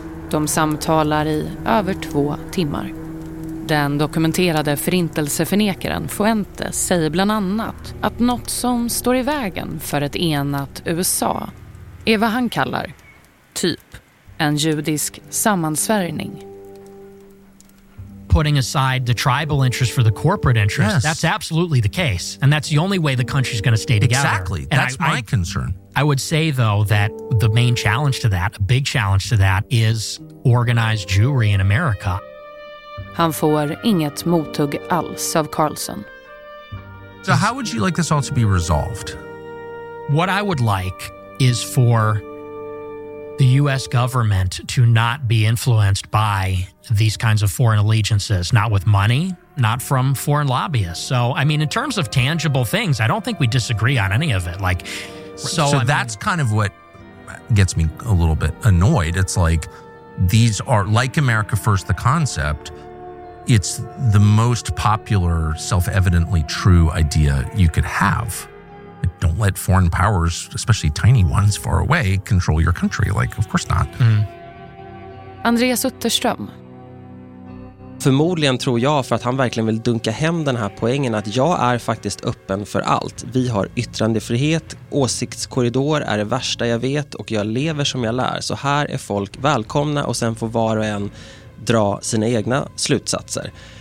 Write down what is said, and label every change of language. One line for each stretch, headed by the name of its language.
Swedish: De samtalar i över 2 timmar. Den dokumenterade förintelseförnekaren Fuentes säger bland annat att något som står i vägen för ett enat USA är vad han kallar typ en judisk sammansvärjning.
English: Putting aside the tribal interest for the corporate interest, yes, that's absolutely the case. And that's the only way the country's going to stay together. Exactly. That's my concern. I would say, though, that the main challenge to that, a big challenge to that, is organized Jewry in America.
Swedish: Han får inget mothugg alls av Carlson.
English: So how would you like this all to be resolved? What I would like is for the U.S. government to not be influenced by these kinds of foreign allegiances, not with money, not from foreign lobbyists. So, I mean, in terms of tangible things, I don't think we disagree on any of it. Like, So that's kind of what gets me a little bit annoyed. It's like these are like America First, the concept. It's the most popular, self-evidently true idea you could have. Don't let foreign powers, especially tiny ones far away, control your country. Like, of course not. Mm.
Swedish: Andreas Utterström. Förmodligen tror jag för att han verkligen vill dunka hem den här poängen att jag är faktiskt öppen för allt. Vi har yttrandefrihet, åsiktskorridor är det värsta jag vet och jag lever som jag lär. Så här är folk välkomna och sen får var och en dra sina egna slutsatser.